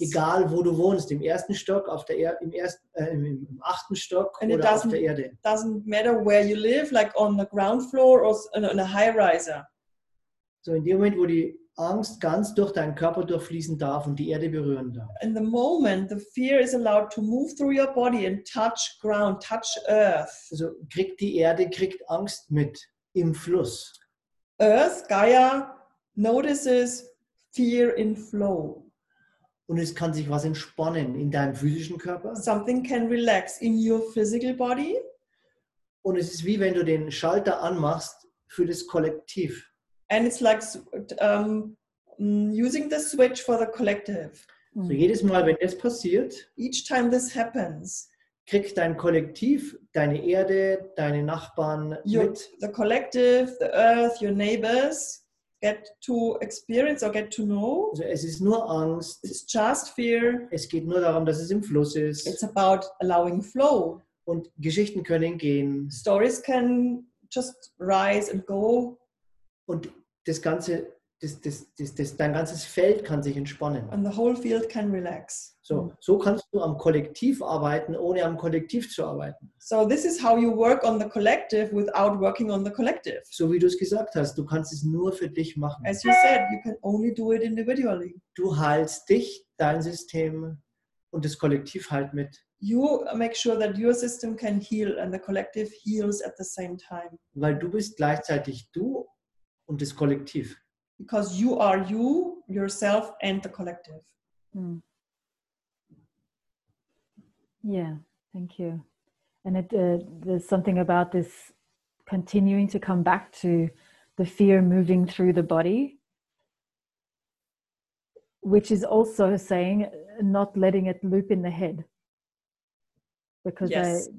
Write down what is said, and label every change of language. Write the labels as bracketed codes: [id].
[de] Egal wo du wohnst, im ersten Stock, auf der im achten Stock [en] and [de] oder auf der Erde. [en] It doesn't matter where you live, like on the ground floor or on a high riser. [de] So in dem Moment, wo die Angst ganz durch deinen Körper durchfließen darf und die Erde berühren darf. [en] In the moment the fear is allowed to move through your body and touch ground, touch earth. [de] Also kriegt die Erde, kriegt Angst mit im Fluss. [en] Earth, Gaia, notices fear in flow. [de] Und es kann sich was entspannen in deinem physischen Körper. [en] Something can relax in your physical body. [de] Und es ist wie wenn du den Schalter anmachst für das Kollektiv. [en] And it's like using the switch for the collective. [de] So jedes Mal, wenn das passiert, [en] each time this happens, [de] kriegt dein Kollektiv, deine Erde, deine Nachbarn mit. [en] The collective, the earth, your neighbors. Get to experience or get to know. [de] Also es ist nur Angst. [en] It's just fear. [de] Es geht nur darum, dass es im Fluss ist. [en] It's about allowing flow. [de] Und Geschichten können gehen. [en] Stories can just rise and go. [de] Und das ganze, dein ganzes Feld kann sich entspannen. [en] And the whole field can relax. [de] So kannst du am Kollektiv arbeiten, ohne am Kollektiv zu arbeiten. [en] So this is how you work on the collective without working on the collective. [de] So wie du es gesagt hast, du kannst es nur für dich machen. [en] As you said, you can only do it individually. [de] Du heilst dich, dein System und das Kollektiv halt mit. [en] You make sure that your system can heal and the collective heals at the same time. [de] Weil du bist gleichzeitig du und das Kollektiv. [en] Because you are you, yourself and the collective. Mm. Yeah, thank you. And there's something about this continuing to come back to the fear moving through the body, which is also saying not letting it loop in the head. Because yes.